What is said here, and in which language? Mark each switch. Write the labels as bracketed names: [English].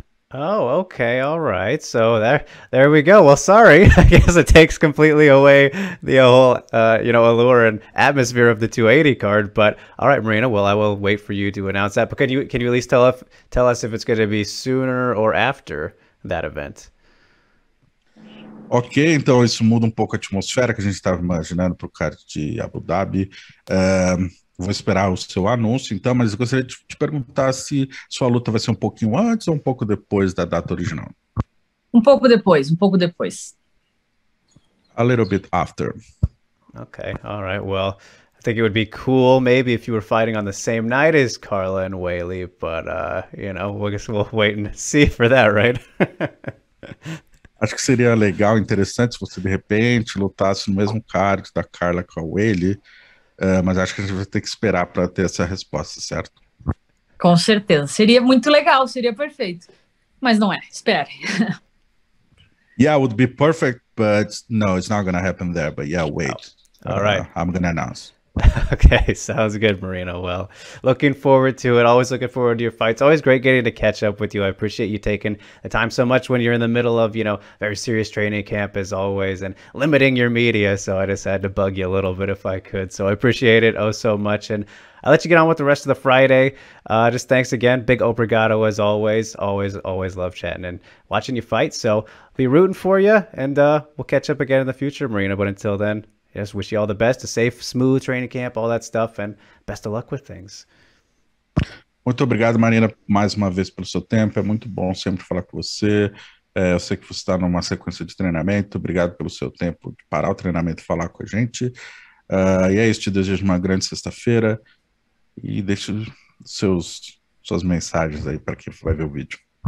[English] Oh, okay, all right. So there we go. Well, sorry. I guess it takes completely away the whole, allure and atmosphere of the 280 card. But all right, Marina. Well, I will wait for you to announce that. But can you at least tell us if it's going to be sooner or after that event? [Portuguese] Okay, então isso muda pouco a atmosfera que a gente estava imaginando pro card de Abu Dhabi. Vou esperar o seu anúncio, então, mas eu gostaria de te perguntar se sua luta vai ser um pouquinho antes ou um pouco depois da data original. Um pouco depois. [English] A little bit after. Okay, all right, well, I think it would be cool maybe if you were fighting on the same night as Carla and Weili, but, we'll wait and see for that, right? [Portuguese] Acho que seria legal, interessante, se você, de repente, lutasse no mesmo card da Carla com a Weili. Mas acho que a gente vai ter que esperar para ter essa resposta, certo? Com certeza. Seria muito legal, seria perfeito. Mas não é. Espere. [English] Yeah, it would be perfect, but no, it's not going to happen there. But yeah, wait. Oh. All right. I'm going to announce. Okay, sounds good, Marina. Well, looking forward to it. Always looking forward to your fights. Always great getting to catch up with you. I appreciate you taking the time so much when you're in the middle of, very serious training camp as always and limiting your media. So I just had to bug you a little bit if I could. So I appreciate it oh so much. And I'll let you get on with the rest of the Friday. Just thanks again. Big obrigado as always. Always, always love chatting and watching you fight. So I'll be rooting for you, and we'll catch up again in the future, Marina. But until then, just wish you all the best, a safe, smooth training camp, all that stuff, and best of luck with things. [Portuguese] Muito obrigado, Marina, mais uma vez pelo seu tempo. É muito bom sempre falar com você. Eu sei que você está numa sequência de treinamento. Obrigado pelo seu tempo de parar o treinamento e falar com a gente. E é isso, te desejo uma grande sexta-feira e deixo suas mensagens aí para quem vai ver o vídeo.